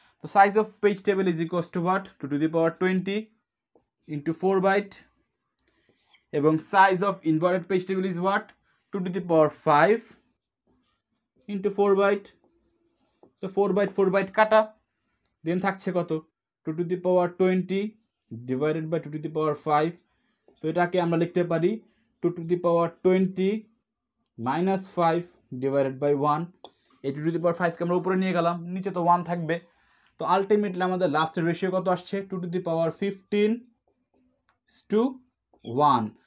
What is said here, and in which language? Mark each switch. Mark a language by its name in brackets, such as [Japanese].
[English] তো size of page table is equals to what? 2 to the power 20 into 4 byte. এবং size of inverted page table is what? 2 to the power 5 into 4 byte. [Bangla] তো 4 byte কাটা, দেন থাকছে কত? [English] 2 to the power 20 divided by 2 to the power 5. [Bangla] তো এটাকে আমরা লিখতে পারি [English] 2 to the power 20 minus 5 divided by 1. [Bangla] এই 2 to the power 5 কে আমরা উপরে নিয়ে গেলাম, নিচে তো 1 থাকবে. তো আলটিমেটলি আমাদের লাস্টের রেশিও কত আসছে? [English] 2 to the power 15 to 1.